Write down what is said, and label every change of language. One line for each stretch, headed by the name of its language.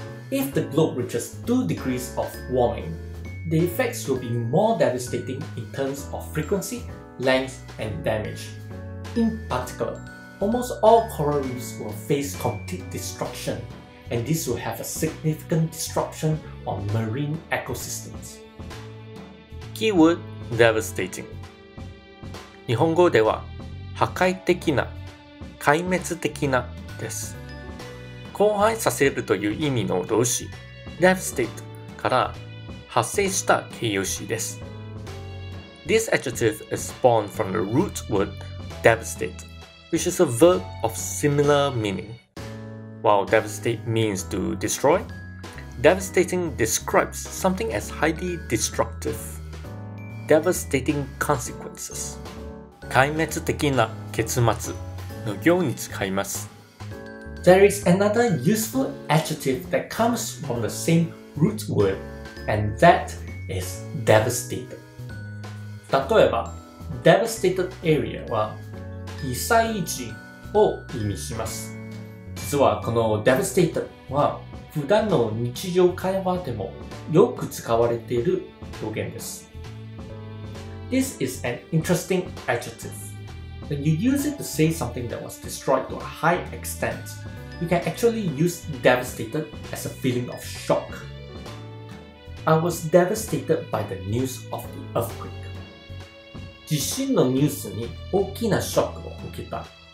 English: If the globe reaches 2 degrees of warming, the effects will be more devastating in terms of frequency, length, and damage. In particular, almost all coral reefs will face complete destruction, and this will have a significant disruption on marine ecosystems. Keyword: devastating.
Japanese: 日本語では破壊的な、壊滅的なです。荒廃させるという意味の動詞 devastate から発生した形容詞です。
English: This adjective is spawned from the root word devastate, which is a verb of similar meaning. While devastate means to destroy, devastating describes something as highly destructive. Devastating consequences.
Japanese: 壊滅的な結末の行に使います。
English: There is another useful adjective that comes from the same root word, and that is devastated.
Japanese: 例えば、
English: devastated area
Japanese: は被災地を意味します。実はこの devastated は普段の日常会話でもよく使われている表現です。
English: This is an interesting adjective. When you use it to say something that was destroyed to a high extent, you can actually use devastated as a feeling of shock. I was devastated by the news of the earthquake.
Japanese: 地震のニュースに大きなショックを受けた。